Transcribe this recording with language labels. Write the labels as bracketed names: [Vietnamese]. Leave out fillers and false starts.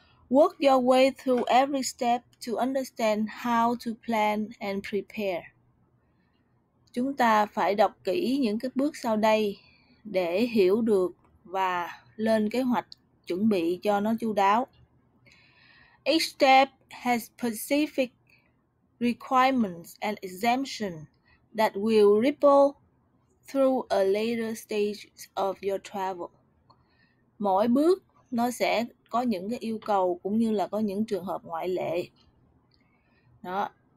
[English] Work your way through every step to understand how to plan and prepare. [Vietnamese] Chúng ta phải đọc kỹ những cái bước sau đây để hiểu được và lên kế hoạch chuẩn bị cho nó chu đáo. [English] Each step has specific requirements and exemptions that will ripple through a later stage of your travel. [Vietnamese] Mỗi bước nó sẽ có những cái yêu cầu cũng như là có những trường hợp ngoại lệ. Đó.